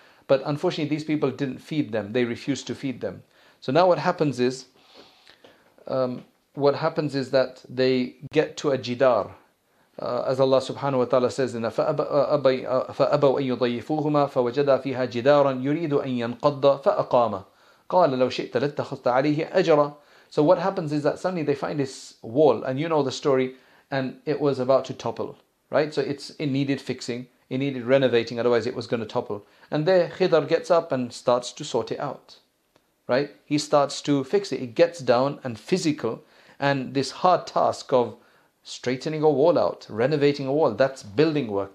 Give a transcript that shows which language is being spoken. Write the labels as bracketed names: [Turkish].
[English] But unfortunately, these people didn't feed them. They refused to feed them. So now what happens is that they get to a jidar. As Allah subhanahu wa ta'ala says in [Arabic] فَأَبَوْ أَن يُضَيِّفُوهُمَا فَوَجَدَا فِيهَا جِدَارًا يُرِيدُ أَن يَنْقَضَّ فَأَقَامَ قَالَ لَوْ شِئْتَ لَتَّخَذْتَ عَلَيْهِ أَجْرًا. [English] So what happens is that suddenly they find this wall, and you know the story, and it was about to topple, right? So it needed fixing, it needed renovating, otherwise it was going to topple. And there Khidr gets up and starts to sort it out, right? He starts to fix it. It gets down and physical, and this hard task of straightening a wall out, renovating a wall, that's building work.